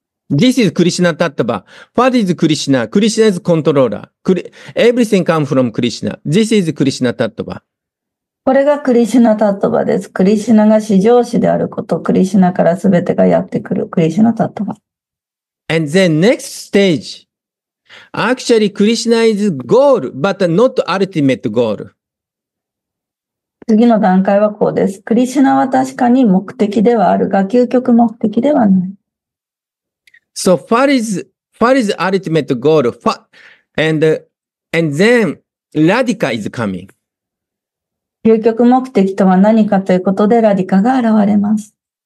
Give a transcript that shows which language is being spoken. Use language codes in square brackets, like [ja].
[en] This is Krishna Tattva. What is Krishna? Krishna is controller. Everything comes from Krishna. This is Krishna Tattva. [ja] これがクリシナ Tattva です。クリシナが至上主であること。クリシナからすべてがやってくる。クリシナ Tattva。 [en] And then next stage. Actually, Krishna is goal, but not ultimate goal. [ja] 次の段階はこうです。クリシュナは確かに目的ではあるが、究極目的ではない。 [en] So, Fari's ultimate goal, and then Radhika is coming. [ja] 究極目的とは何かということで、ラディカが現れます。